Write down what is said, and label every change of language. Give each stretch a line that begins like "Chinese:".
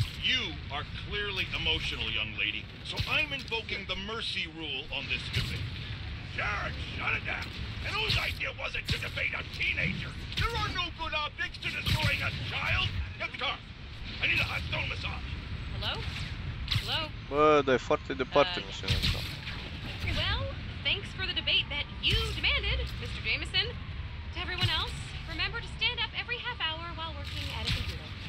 English: You are clearly emotional, young lady. So I'm invoking the mercy rule on this debate. Jared, shut it down. And whose idea was it to debate a teenager? There are no good objects to destroying a child. Get the car. I need a hot stone massage. Hello? Hello?
Romanian: Bă, dar e foarte departe, misiunea asta.
English: Well, thanks for the debate that you demanded, Mr. Jameson. To everyone else, remember to stand up every half hour while working at a computer.